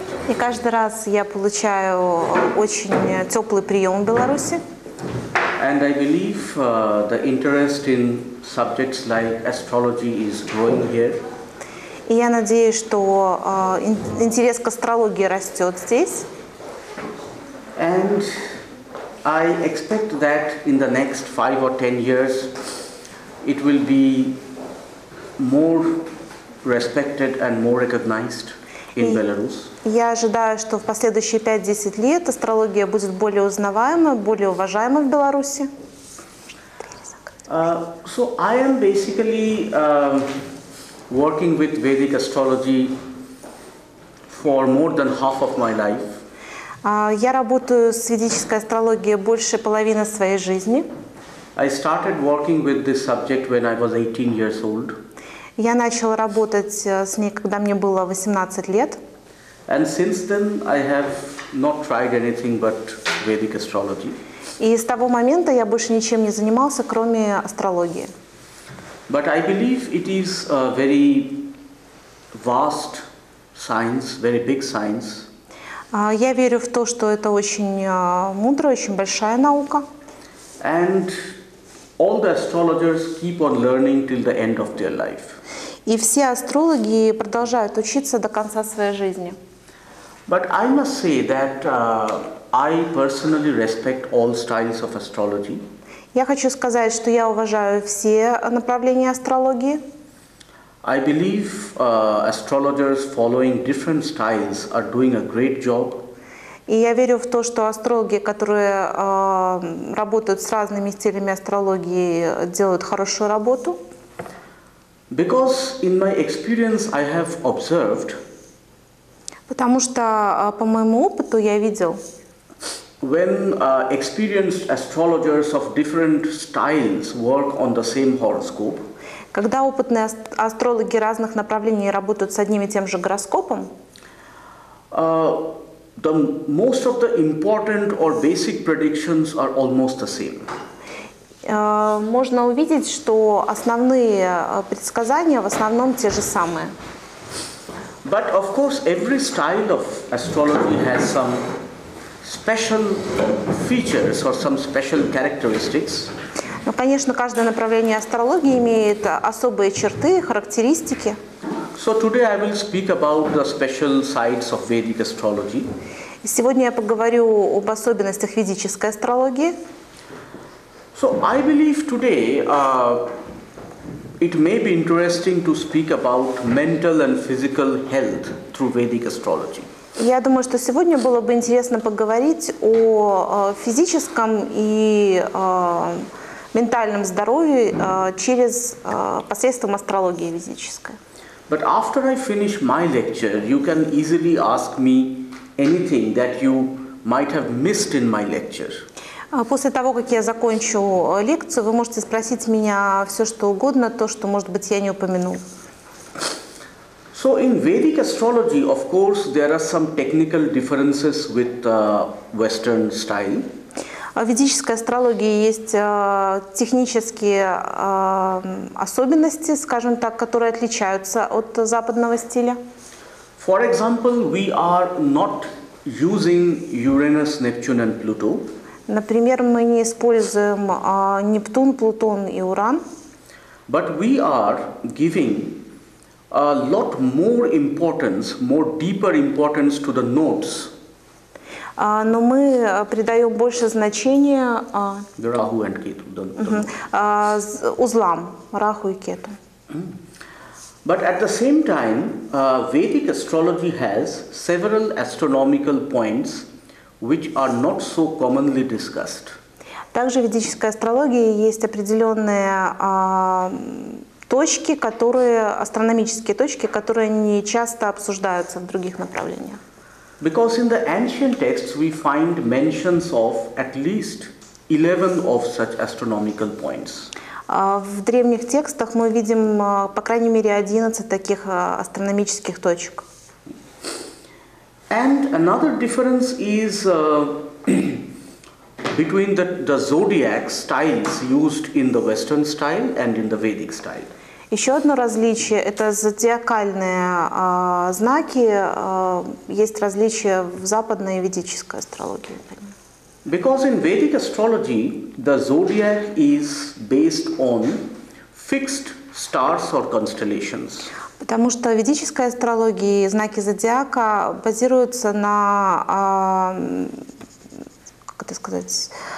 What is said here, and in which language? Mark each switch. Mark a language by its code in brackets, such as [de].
[ru] И каждый раз я получаю очень теплый прием в Беларуси. [en] And I believe the interest in subjects like astrology is growing here. [ru] И я надеюсь, что интерес к астрологии растет здесь. [en] And I expect that in the next 5 or 10 years it will be more respected and more recognized in Belarus. [ru] Я ожидаю, что в последующие 5-10 лет астрология будет более узнаваема, более уважаема в Беларуси. [en] So I am basically working with Vedic astrology for more than half of my life. [ru] Я работаю с ведической астрологией больше половины своей жизни. [en] I started working with this subject when I was 18 years old. [ru] Я начал работать с ней, когда мне было 18 лет. [en] And since then I have not tried anything but Vedic astrology. [ru] И с того момента я больше ничем не занимался, кроме астрологии. [en] But I believe it is a very vast science, very big science. [ru] Я верю в то, что это очень мудрая, очень большая наука. [en] And all the astrologers keep on learning till the end of their life. [ru] И все астрологи продолжают учиться до конца своей жизни. [en] But I must say that I personally respect all styles of astrology. [ru] Я хочу сказать, что я уважаю все направления астрологии. [en] I believe astrologers following different styles are doing a great job. [ru] И я верю в то, что астрологи, которые работают с разными стилями астрологии, делают хорошую работу. [en] Because in my experience I have observed. [ru] Потому что по моему опыту я видел. [en] When experienced astrologers of different styles work on the same horoscope. [ru] Когда опытные астрологи разных направлений работают с одним и тем же гороскопом. [en] The most of the important or basic predictions are almost the same. [ru] Можно увидеть, что основные предсказания в основном те же самые. [en] But of course, every style of astrology has some special features or some special characteristics. [ru] Но, конечно, каждое направление астрологии имеет особые черты, характеристики. [en] So today I will speak about the special sides of Vedic astrology. [ru] Сегодня я поговорю об особенностях ведической астрологии. [en] So I believe today it may be interesting to speak about mental and physical health through Vedic astrology. [ru] Я думаю, что сегодня было бы интересно поговорить о физическом и ментальном здоровье через посредством астрологии ведической. [en] But after I finish my lecture, you can easily ask me anything that you might have missed in my lecture. [ru] После того, как я закончу лекцию, вы можете спросить меня все, что угодно, то, что, может быть, я не упомянул. [en] So in Vedic astrology, of course, there are some technical differences with Western style. [ru] В ведической астрологии есть технические особенности, скажем так, которые отличаются от западного стиля. [en] For example, we are not using Uranus, Neptune and Pluto. [ru] Например, мы не используем Нептун, Плутон и Уран. [en] But we are giving a lot more importance, more deeper importance to the notes. [ru] Но мы придаем больше значения Раху и Кету, узлам Раху и Кету. [en] But at the same time, Vedic astrology has several astronomical points which are not so commonly discussed. [ru] Также в ведической астрологии есть определенные точки, которые астрономические точки, которые не часто обсуждаются в других направлениях. [en] Because in the ancient texts we find mentions of at least 11 of such astronomical points. [ru] В древних текстах мы видим по крайней мере 11 таких астрономических точек. [en] And another difference is between the zodiac styles used in the Western style and in the Vedic style. [ru] Еще одно различие – это зодиакальные знаки. Есть различия в западной и ведической астрологии. [en] Because in Vedic astrology, the zodiac is based on fixed stars or constellations. [ru] Потому что в ведической астрологии знаки зодиака базируются на, как это сказать?